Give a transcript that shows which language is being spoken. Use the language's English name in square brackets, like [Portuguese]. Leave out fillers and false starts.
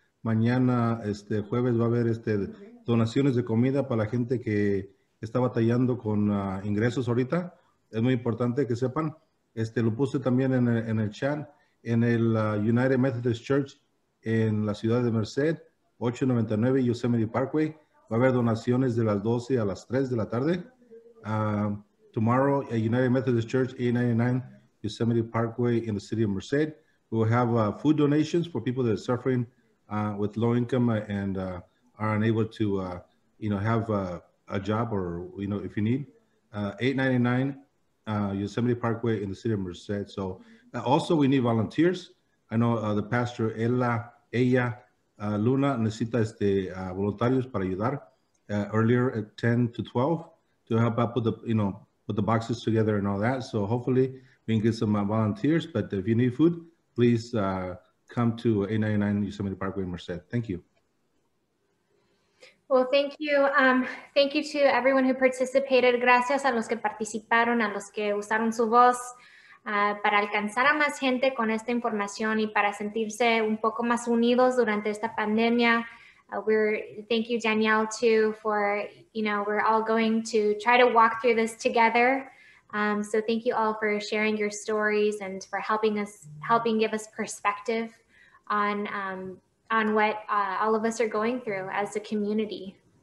[Spanish] Mañana, jueves, va a haber donaciones de comida para la gente que está batallando con ingresos ahorita. Es muy importante que sepan. Lo puse también en el chat. En el United Methodist Church en la ciudad de Merced, 899 Yosemite Parkway. va a haber donaciones de las 12 a las 3 de la tarde. [English] Tomorrow at United Methodist Church, 899 Yosemite Parkway in the city of Merced, we will have food donations for people that are suffering with low income and are unable to, you know, have a job or, you know, if you need. 899 Yosemite Parkway in the city of Merced. So also we need volunteers. I know the pastor, ella, Luna, [Spanish] necesita voluntarios para ayudar [English] earlier at 10 to 12 to help out put the boxes together and all that. So hopefully we can get some volunteers, but if you need food, please come to 899 Yosemite Parkway in Merced. Thank you. Well, thank you. Thank you to everyone who participated. [Spanish] Gracias a los que participaron, a los que usaron su voz para alcanzar a más gente con esta información y para sentirse un poco más unidos durante esta pandemia. [English] Thank you, Danielle, too, for, you know, we're all going to try to walk through this together. So thank you all for sharing your stories and for helping give us perspective on what all of us are going through as a community.